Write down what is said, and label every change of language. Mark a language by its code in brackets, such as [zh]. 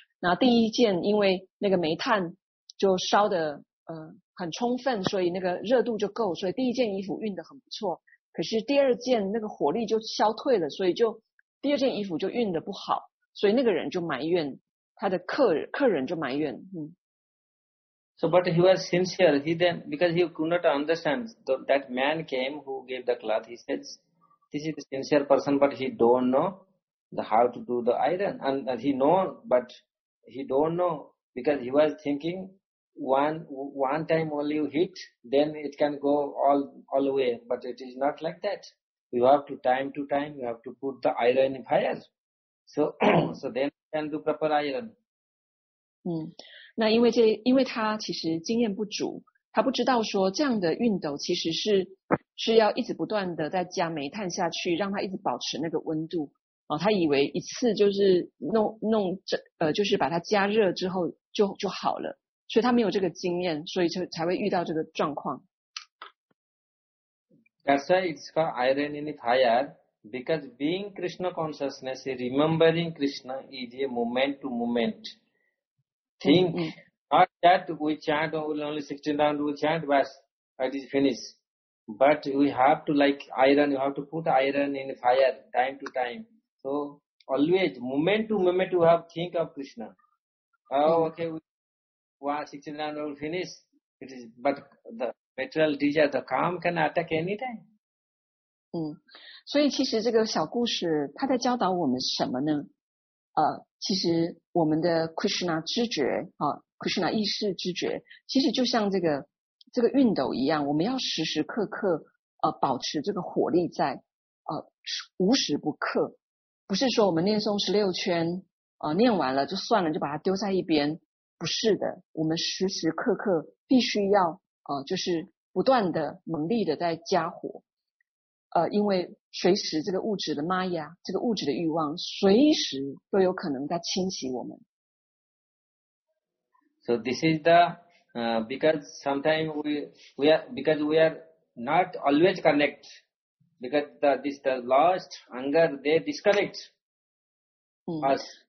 [zh] 那第一件，因为那个煤炭就烧得很充分，所以那个热度就够，所以第一件衣服熨得很不错。可是第二件那个火力就消退了，所以就第二件衣服就熨得不好，所以那个人就埋怨他的客人就埋怨 [en] So, but he was sincere. He then, because he could not understand, that man came who gave the cloth. He says, this is a sincere person, but he don't know how to do the iron. And he know, but he don't know, because he was thinking, one time only you hit, then it can go all away. But it is not like that. You have to time to time, you have to put the iron in fire. So, so then you can do proper iron. Hmm. [zh] 那因为他其实经验不足，他不知道说这样的熨斗其实是要一直不断的在加煤炭下去，让它一直保持那个温度。他以为一次就是弄就是把它加热之后就好了，所以他没有这个经验，所以才会遇到这个状况。 [en] That's why it's called iron in the fire, because being Krishna consciousness, remembering Krishna is a moment to moment. Think, not that we chant only 16 rounds, we chant, but it is finished. But we have to like iron, you have to put iron in fire time to time. So always, moment to moment, you have to think of Krishna. Oh, okay, we 16 rounds will finish. It is, but the material desire, the calm can attack anytime. [zh] 所以其实这个小故事它在教导我们什么呢？其实我们的 Krishna 知觉啊 ，Krishna 意识知觉，其实就像这个熨斗一样，我们要时时刻刻保持这个火力在无时不刻，不是说我们念诵16圈念完了就算了，就把它丢在一边，不是的，我们时时刻刻必须要就是不断的猛力的在加火。因为随时这个物质的 Maya, 这个物质的欲望随时都有可能在侵袭我们。 [en] So this is the, because sometimes we are not always connect, because this the lust, anger, they disconnect us.